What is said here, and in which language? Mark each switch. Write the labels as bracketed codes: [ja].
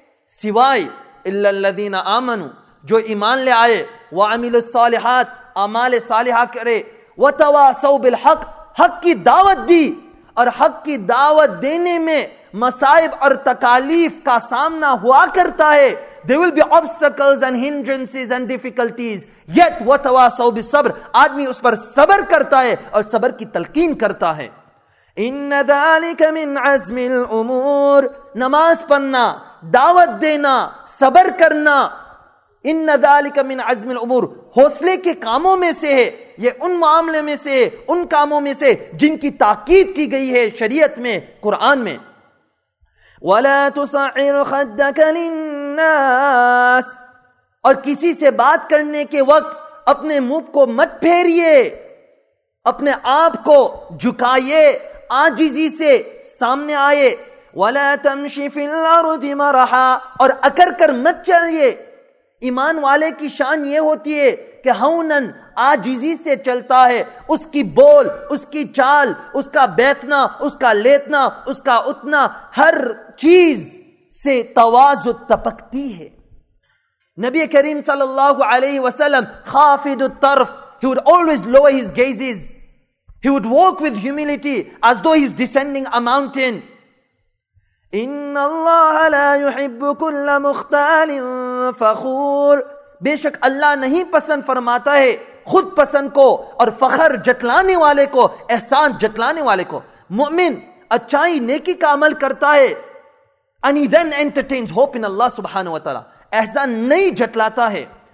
[ur] سوائے [ar] الا الذین آمنوا، [ur] جو ایمان لے آئے، [ar] وعمل الصالحات، [ur] اعمال صالحہ کرے، [ar] وتواصوا بالحق، [ur] حق کی دعوت دی، اور حق کی دعوت دینے میں مصائب اور تکالیف کا سامنا ہوا کرتا ہے. [en] There will be obstacles and hindrances and difficulties. Yet, [ar] وَتَوَاسَوْ بِالصَّبْرِ، [ur] آدمی اس پر صبر کرتا ہے اور صبر کی تلقین کرتا ہے. [ar] اِنَّ ذَلِكَ مِنْ عَزْمِ الْأُمُورِ، [ur] نماز پڑھنا، دعوت دینا، صبر کرنا، اِنَّ ذَلِكَ مِنْ عَزْمِ الْأُمُورِ، حوصلے کے کاموں میں سے ہے. یہ ان معاملے میں سے، ان کاموں میں سے جن کی تاکید کی گئی ہے شریعت میں، قرآن میں. [ar] وَلَا تُصَعِّرْ خَدَّكَ لِلنَّاسِ، [ur] اور کسی سے بات کرنے کے وقت اپنے منہ کو مت پھیریے، اپنے آپ کو جھکائیے، عاجزی سے سامنے آئے. [ar] وَلَا تَمْشِ فِي الْأَرْضِ مَرَحًا، [ur] اور اکر کر مت چلیے. ایمان والے کی شان یہ ہوتی ہے کہ ہونن عاجزی سے چلتا ہے، اس کی بول، اس کی چال، اس کا بیٹھنا، اس کا لیٹنا، اس کا اٹھنا، ہر چیز سے تواضع تپکتی ہے. [en] نبی کریم صلی اللہ علیہ وسلم [ar] خافض الطرف، [en] he would always lower his gazes, he would walk with humility as though he's descending a mountain. [ar] ان اللہ لا يحب كل مختال فخور، [ur] بے شک اللہ نہیں پسند فرماتا ہے خود پسند کو اور فخر جتلانے والے کو، احسان جتلانے والے کو. مومن اچھائی نیکی کا عمل کرتا ہے، [en] and he then entertains hope in Allah subhanahu wa ta'ala، [ur] احسان نہیں جتلاتا ہے.